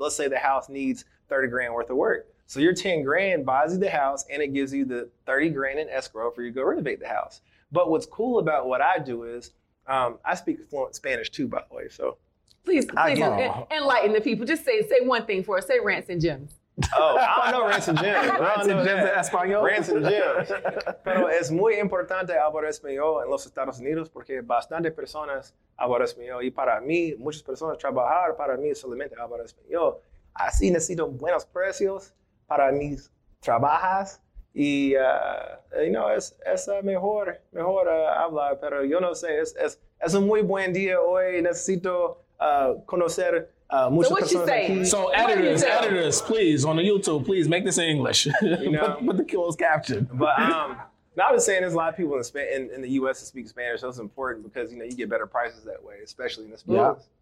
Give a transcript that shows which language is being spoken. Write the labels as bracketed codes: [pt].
[en] Let's say the house needs 30 grand worth of work. So your 10 grand buys you the house and it gives you the 30 grand in escrow for you to go renovate the house. But what's cool about what I do is, I speak fluent Spanish too, by the way. So please enlighten the people. Just say one thing for us, say rants and gems. Oh, I don't know rants and gems. Rants and gems in Espanol? Rants and gems. [es] Pero es muy importante hablar español en los Estados Unidos porque bastante personas hablan español. Y para mí, muchas personas trabajar para mí solamente hablar español. Así necesito buenos precios para mis trabajas. Y, [en] you know, [es] es mejor hablar, pero yo no sé. Es un muy buen día hoy. Necesito conocer... [en] editors, please, on the YouTube, please make this in English. You know, put the closed caption. But now I'm just saying there's a lot of people in the U.S. that speak Spanish. So it's important because, you know, you get better prices that way, especially in this place. Yeah.